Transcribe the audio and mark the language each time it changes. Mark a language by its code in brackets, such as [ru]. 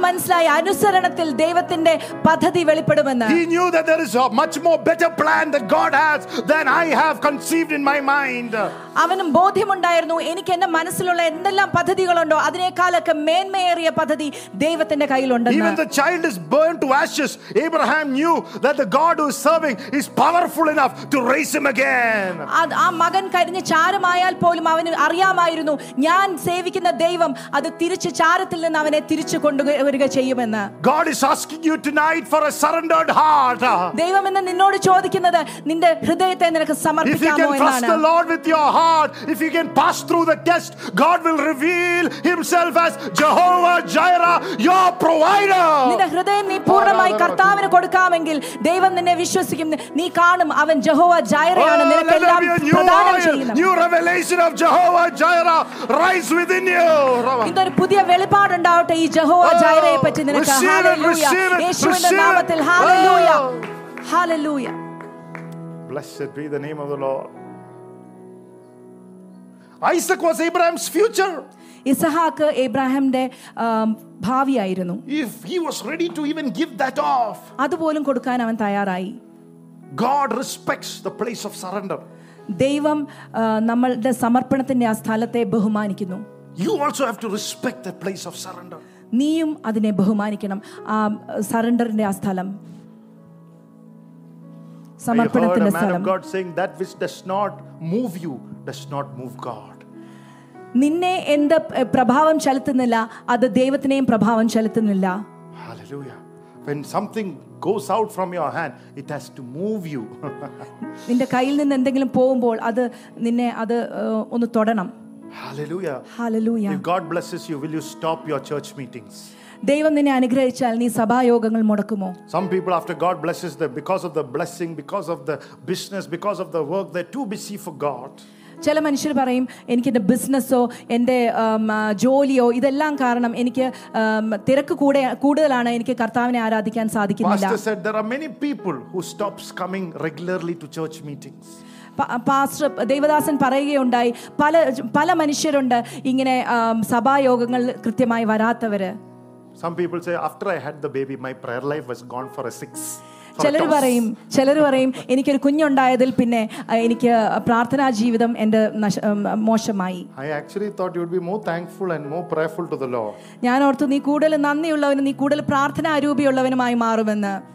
[ml] മനസ്സിലായി അനുസരണത്തിൽ ദൈവത്തിന്റെ പദ്ധതി വെളിപ്പെടുമെന്ന്. [en] He knew that there is a much more better plan that God has than I have conceived in my mind. [ml] അവനും ബോധ്യമുണ്ടായിരുന്നു, എനിക്ക് എന്റെ മനസ്സിലുള്ള എന്തെല്ലാം പദ്ധതികളുണ്ടോ അതിനേക്കാളൊക്കെ മേന്മയേറിയ പദ്ധതി ദൈവത്തിന്റെ കയ്യിലുണ്ട്. [en] Even the child is burnt to ashes, Abraham knew that the God who is serving is powerful enough to raise him again. [ml] ആ മകൻ കരിഞ്ഞു ചാരമായാൽ പോലും അവന് അറിയാമായിരുന്നു, ഞാൻ സേവിക്കുന്ന ദൈവം അത് തിരിച്ചു ചാരത്തിൽ നിന്ന് അവനെ തിരിച്ചു കൊണ്ടുവരിക ചെയ്യുമെന്ന്. [en] God is asking you tonight for a surrendered heart. [ml] ദൈവം ഇന്ന് നിന്നോട് ചോദിക്കുന്നത് നിന്റെ ഹൃദയത്തെ നിനക്ക് സമർപ്പിക്കാമോ എന്നാണ്. [en] If you can trust the Lord with your heart, if you can pass through the test, God will reveal himself as Jehovah Jireh, your provider. [ml] നിന്റെ ഹൃദയം നീ പൂർണ്ണമായി കർത്താവിനെ കൊടുക്കാമെങ്കിൽ ദൈവം നിന്നെ വിശ്വസിക്കും, നീ കാണും അവൻ ജഹോവ ജൈറേ ആണ്, നിനക്ക് എല്ലാം പ്രദാനം ചെയ്യുന്ന. [en] New revelation of Jehovah Jireh rise within you. [ml] ഇന്നൊരു പുതിയ വെളിപാട് ഉണ്ടാവട്ടെ ഈ ജഹോവ ജൈറേയെ പറ്റി നിനക്ക്. ഹല്ലേലൂയ, യേശുവിന്റെ നാമത്തിൽ hallelujah, hallelujah. [en] Blessed be the name of the Lord. Isaac was Abraham's future. [ml] Izahaak ഏബ്രഹാമിന്റെ ഭാവിയായിരുന്നു. [en] If he was ready to even give that off. [ml] അതുപോലും കൊടുക്കാൻ അവൻ തയ്യാറായി. [en] God respects the place of surrender. [ml] ദൈവം നമ്മളുടെ സമർപ്പണത്തിന്റെ ആ സ്ഥലത്തെ ബഹുമാനിക്കുന്നു. [en] You also have to respect the place of surrender. [ml] നീയും അതിനെ ബഹുമാനിക്കണം, ആ സറണ്ടറിന്റെ ആ സ്ഥലം. സമർപ്പണത്തിന്റെ സ്ഥലം. [en] I heard a man of God saying that which does not move you does not move God. [ml] നിന്നെ എന്ത് പ്രഭാവം ചെലുത്തുന്നില്ല അത് ദൈവത്തിനെയും പ്രഭാവം ചെലുത്തുന്നില്ല. [en] Hallelujah. When something goes out from your hand, it has to move you. [ml] നിന്റെ കയ്യിൽ നിന്ന് എന്തെങ്കിലും പോകുമ്പോൾ അത് നിന്നെ അത് ഒന്ന് തൊടണം. [en] Hallelujah. Hallelujah. If God blesses you, will you stop your church meetings? [ml] ദൈവം നിന്നെ അനുഗ്രഹിച്ചാൽ നീ സഭായോഗങ്ങൾ മുടക്കുമോ? [en] Some people after God blesses them, because of the blessing, because of the business, because of the work, they're too busy for God. [ml] ചില മനുഷ്യർ പറയും, എനിക്കെൻ്റെ ബിസിനസ്സോ എൻ്റെ ജോലിയോ ഇതെല്ലാം കാരണം എനിക്ക് തിരക്ക് കൂടുതലാണ്, എനിക്ക് കർത്താവിനെ ആരാധിക്കാൻ സാധിക്കുന്നില്ല. [en] Pastor said there are many people who stops coming regularly to church meetings. [ml] Pastor Devadasan പറയുകയുണ്ടായി, പല പല മനുഷ്യരുണ്ട് ഇങ്ങനെ സഭായോഗങ്ങൾ കൃത്യമായി വരാത്തവര്. [en] Some people say, after I had the baby, my prayer life was gone for a six. [ml] ചിലർ പറയും എനിക്ക് ഒരു കുഞ്ഞുണ്ടായതിൽ പിന്നെ എനിക്ക് പ്രാർത്ഥനാ ജീവിതം എന്റെ മോശമായി. [en] I actually thought you would be more thankful and more prayerful to the Lord. [ml] ഞാൻ ഓർത്തു നീ കൂടുതൽ നന്ദിയുള്ളവനും നീ കൂടുതൽ പ്രാർത്ഥനാ ആരൂപിയുള്ളവനുമായി മാറുമെന്ന്.